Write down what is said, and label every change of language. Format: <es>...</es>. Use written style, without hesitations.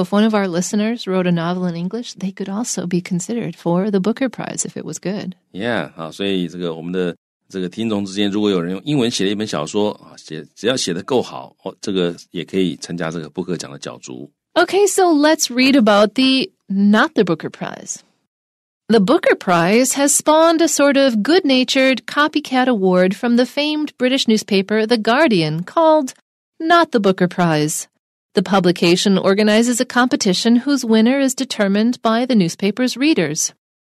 <en>if one of our listeners wrote a novel in English, they could also be considered for the Booker Prize if it was good.</en> <zh>Yeah, 所以这个我们的这个听众之间，如果有人用英文写了一本小说，只要写得够好，这个也可以参加这个布克奖的角逐。</zh> <en>Okay, so let's read about the not the Booker Prize. The Booker Prize has spawned a sort of good-natured copycat award from the famed British newspaper The Guardian called Not the Booker Prize. The publication organizes a competition whose winner is determined by the newspaper's readers.</en>